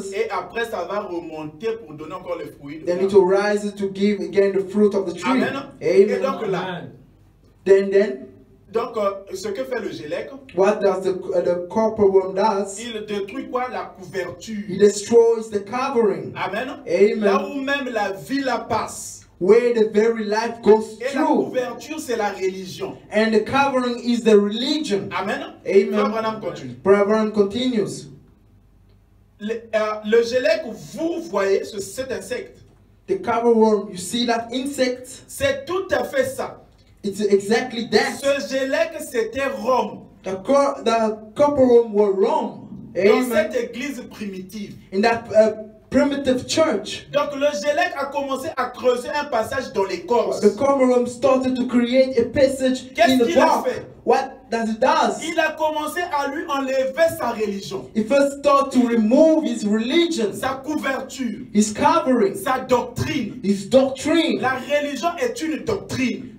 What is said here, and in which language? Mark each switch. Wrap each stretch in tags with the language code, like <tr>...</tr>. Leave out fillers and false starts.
<fr>et après ça va remonter pour donner encore le fruit.</fr> <en>Then it will rise to give again the fruit of the tree. Amen. Amen.</en> <fr>Et donc là,</fr> <en>then.</en> <fr>Donc, ce que fait le gelec?</fr> <en>What does the copper worm does?</en> <fr>Il détruit quoi? La couverture.</fr> <en>He destroys the covering. Amen. Amen.</en> <fr>Là où même la vie la passe.</fr> <en>Where the very life goes</en> <fr>et</fr> <en>through.</en> <fr>Et la couverture, c'est la religion.</fr> <en>And the covering is the religion. Amen. Amen.</en> <fr>Abraham continue.</fr> <en>Abraham continues.</en> <fr>Le gelec, vous voyez cet insecte?</fr> <en>The copper worm, you see that insect?</en> <fr>C'est tout à fait ça.</fr> <en>It's exactly that.</en> <fr>Ce gelec, c'était Rome.</fr> <en>The copper worm was Rome.</en> <fr>Dans Amen. Cette église primitive.</fr> <en>In that primitive church.</en> <fr>Donc le gelec a commencé à creuser un passage dans l'écorce.</fr> <en>The copper worm started to create a passage</en> <fr>qu'est-ce</fr> <en>in the bark.</en> <fr>Qu'est-ce qu'il a fait?</fr> <en>What that it does.</en> <fr>Il a commencé à lui enlever sa religion.</fr> <en>He first started to remove his religion.</en> <fr>Sa couverture.</fr> <en>His covering.</en> <fr>Sa doctrine.</fr> <en>His doctrine.</en> <fr>La religion est une doctrine.</fr>